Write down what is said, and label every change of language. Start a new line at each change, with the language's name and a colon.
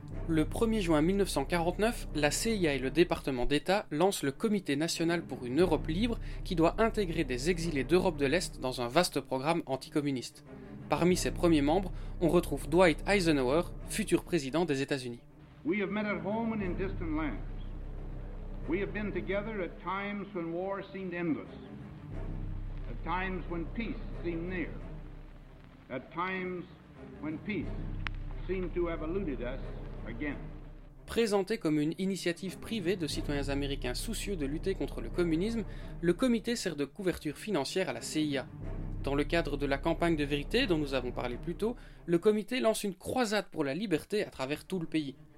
French: Le 1er juin 1949, la CIA et le département d'État lancent le Comité national pour une Europe libre qui doit intégrer des exilés d'Europe de l'Est dans un vaste programme anticommuniste. Parmi ses premiers membres, on retrouve Dwight Eisenhower, futur président des États-Unis.
English: We have met at home and in distant lands. We have been together at times when war seemed endless. At times when peace seemed near. At times when peace seemed to have eluded us.
French: Présenté comme une initiative privée de citoyens américains soucieux de lutter contre le communisme, le comité sert de couverture financière à la CIA. Dans le cadre de la campagne de vérité dont nous avons parlé plus tôt, le comité lance une croisade pour la liberté à travers tout le pays.